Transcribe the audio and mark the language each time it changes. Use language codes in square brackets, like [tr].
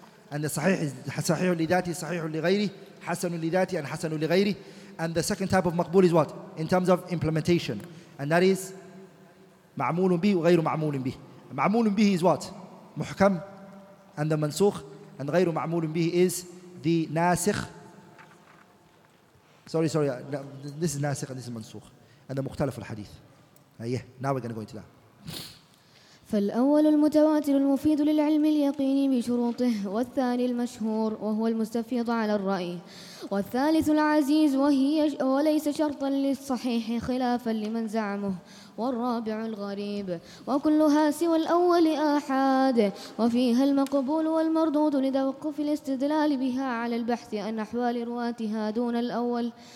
[ar] And the صحيح is صحيح لذاتي صحيح لغيري حسن لذاتي and حسن لغيري. [en] And the second type of مقبول is what? In terms of implementation. And that is معمول به وغير معمول به. معمول به is what? محكم. And the منسوخ. And غير معمول به is the ناسخ. Sorry. This is ناسخ and this is منسوخ. And the مختلف الحديث. Yeah, now we're going to go into that. [ar] فالأول المتواتر المفيد للعلم اليقيني بشروطه والثاني المشهور وهو المستفيض على الرأي والثالث العزيز وهي وليس شرطا للصحيح خلافا لمن زعمه والرابع الغريب وكلها سوى الأول آحاد وفيها المقبول والمردود لتوقف الاستدلال بها على البحث عن أحوال رواتها دون الأول